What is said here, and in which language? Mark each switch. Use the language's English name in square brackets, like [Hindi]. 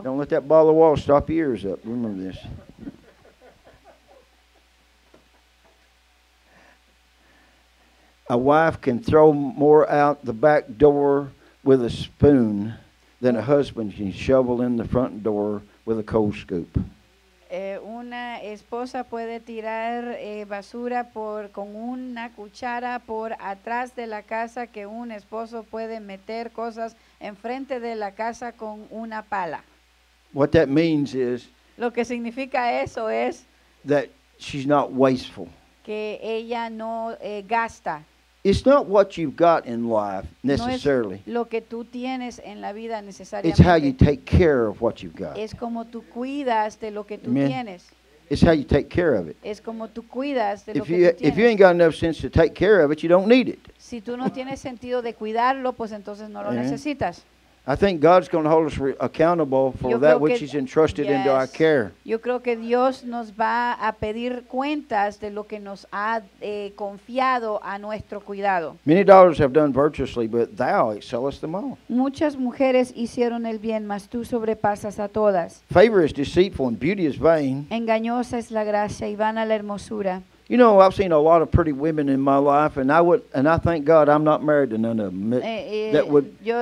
[English] Don't let that ball of wool stop your ears up. Remember this. A wife can throw more out the back door with a spoon than a husband can shovel in the front door with a cold scoop. [Spanish] Una esposa puede tirar basura por con una cuchara por atrás de la casa que un esposo puede meter cosas enfrente de la casa con una pala. [English] What that means is [Spanish] lo que significa eso es [English] that she's not wasteful. [Spanish] Que ella no gasta. [English] It's not what you've got in life necessarily. [Spanish] No es lo que tú tienes en la vida necesariamente. [English] It's how you take care of what you've got. [Spanish] Es como tú cuidas de lo que tú tienes. [English] It's how you take care of it. [Spanish] Es como tú cuidas de [English] if [Spanish] lo que tú tienes. [English] If you ain't got enough sense to take care of it, you don't need it. [Spanish] Si tú no tienes sentido de cuidarlo, pues entonces no lo necesitas. [English] I think God's going to hold us accountable for that which He's entrusted into our care. [Spanish] Yo creo que Dios nos va a pedir cuentas de lo que nos ha confiado a nuestro cuidado. [English] Many daughters have done virtuously, but thou excellest them all. [Spanish] Muchas mujeres hicieron el bien, mas tú sobrepasas a todas. [English] Favor is deceitful and beauty is vain. [Spanish] Engañosa es la gracia y vana la hermosura. [English] You know, I've seen a lot of pretty women in my life, and I thank God I'm not married to none of them.